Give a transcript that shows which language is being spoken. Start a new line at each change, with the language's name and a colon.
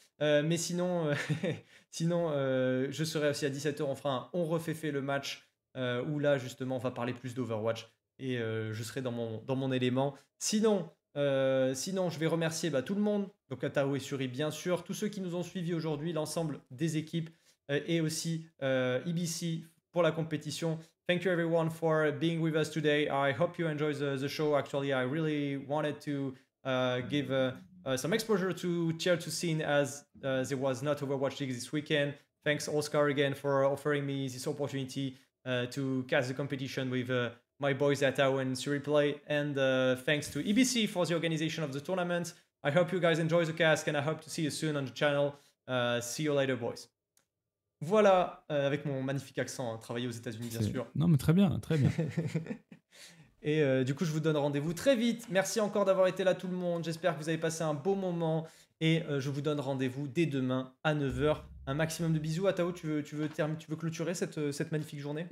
French: Mais sinon, je serai aussi à 17h. On fera un On refait fait le match où là, justement, on va parler plus d'Overwatch. Et je serai dans mon élément. Sinon, je vais remercier tout le monde. Donc Ataru et Suri, bien sûr. Tous ceux qui nous ont suivis aujourd'hui, l'ensemble des équipes. Et aussi IBC pour la compétition.
English: Thank you everyone for being with us today. I hope you enjoy the show. Actually, I really wanted to give some exposure to Tier 2 scene as there was not Overwatch League this weekend. Thanks Oscar again for offering me this opportunity to cast the competition with my boys at Ao and Suri Play. And thanks to EBC for the organization of the tournament. I hope you guys enjoy the cast and I hope to see you soon on the channel. See you later, boys.
French: Voilà, avec mon magnifique accent, hein, travaillé aux États-Unis, bien sûr. Non, mais très bien, très bien. Et du coup, je vous donne rendez-vous très vite. Merci encore d'avoir été là, tout le monde. J'espère que vous avez passé un beau moment. Et je vous donne rendez-vous dès demain à 9h. Un maximum de bisous. Atao, tu veux clôturer cette magnifique journée ?